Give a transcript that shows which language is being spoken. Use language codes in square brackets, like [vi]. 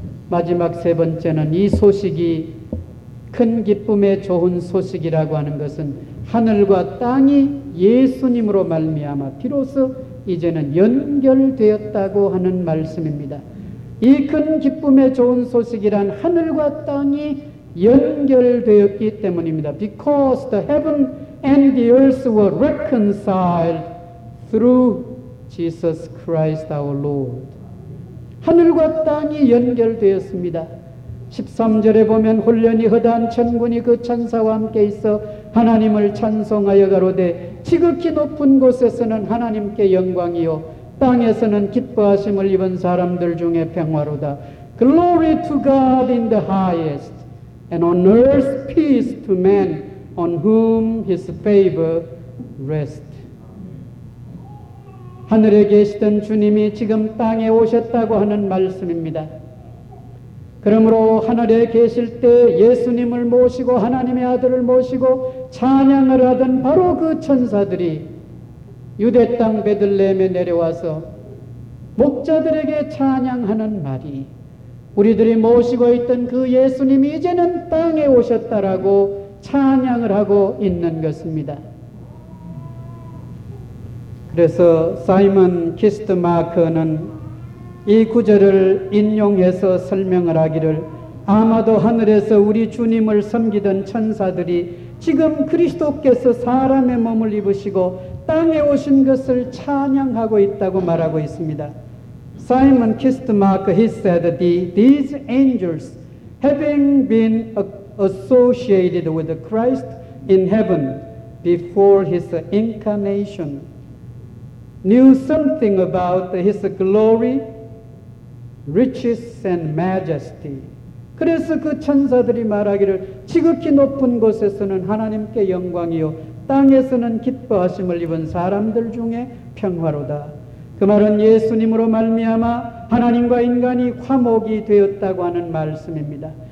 [ko] 마지막 세 번째는 이 소식이 큰 기쁨의 좋은 소식이라고 하는 것은 하늘과 땅이 예수님으로 말미암아 비로소 이제는 연결되었다고 하는 말씀입니다. 이 큰 기쁨의 좋은 소식이란 하늘과 땅이 연결되었기 때문입니다. [en] Because the heaven and the earth were reconciled through Jesus Christ our Lord. [ko] 하늘과 땅이 연결되었습니다. 13절에 보면 훈련이 허다한 천군이 그 천사와 함께 있어 하나님을 찬송하여 가로되 지극히 높은 곳에서는 하나님께 영광이요 땅에서는 기뻐하심을 입은 사람들 중에 평화로다. [en] Glory to God in the highest, and on earth peace to men on whom his favor rests. [ko] 하늘에 계시던 주님이 지금 땅에 오셨다고 하는 말씀입니다. 그러므로 하늘에 계실 때 예수님을 모시고 하나님의 아들을 모시고 찬양을 하던 바로 그 천사들이 유대 땅 베들레헴에 내려와서 목자들에게 찬양하는 말이 우리들이 모시고 있던 그 예수님이 이제는 땅에 오셨다라고 찬양을 하고 있는 것입니다. 그래서 사이먼 키스트 마크는 이 구절을 인용해서 설명을 하기를 아마도 하늘에서 우리 주님을 섬기던 천사들이 지금 그리스도께서 사람의 몸을 입으시고 땅에 오신 것을 찬양하고 있다고 말하고 있습니다. [en] Simon Kistmark, he said, these angels, having been associated with Christ in heaven before his incarnation, knew something about his glory riches and majesty. [ko] 그래서 그 천사들이 말하기를 지극히 높은 곳에서는 하나님께 영광이요 땅에서는 기뻐하심을 입은 사람들 중에 평화로다. 그 말은 예수님으로 말미암아 하나님과 인간이 화목이 되었다고 하는 말씀입니다.